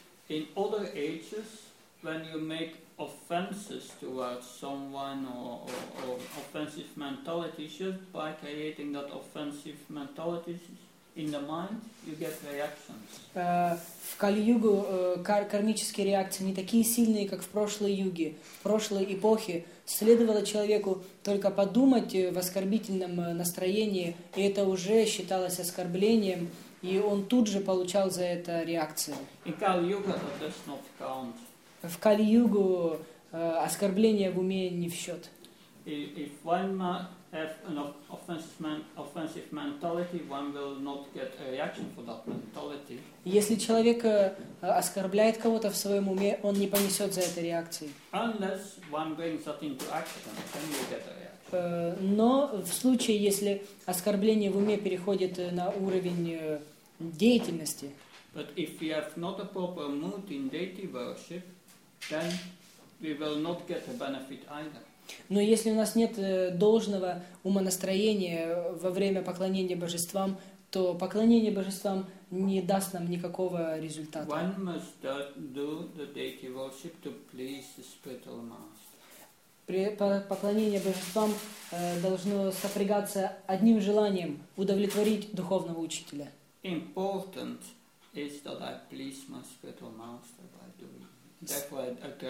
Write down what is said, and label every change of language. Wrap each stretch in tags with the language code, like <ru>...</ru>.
<en>In other ages, when you make offenses towards someone or offensive mentality, just by creating that offensive mentality in the mind, you get reactions.</en> <ru>В Кали-Югу кармические реакции не такие сильные, как в прошлой юге. В прошлой эпохе следовало человеку только подумать в оскорбительном настроении, и это уже считалось оскорблением, и он тут же получал за это реакции.</ru> <en>In Kali-Yuga, that does not count.</en> <ru>В Кали-Югу оскорбление в уме не в счет.</ru> <en>If one have an offensive mentality, one will not get a reaction for that mentality.</en> <ru>Если человек оскорбляет кого-то в своем уме, он не понесет за это реакции.</ru> <en>Unless one brings that into action, then you get a reaction.</en> <ru>Но в случае, если оскорбление в уме переходит на уровень деятельности.</ru> <en>But if we have not a proper mood in deity worship, then we will not get a benefit either.</en> <ru>Но если у нас нет должного умонастроения во время поклонения божествам, то поклонение божествам не даст нам никакого результата.</ru> <en>One must do the deity worship to please the spiritual master.</en> <ru>Поклонение божествам должно сопрягаться одним желанием удовлетворить духовного учителя.</ru> <en>Important is that I please my spiritual master by doing.</en>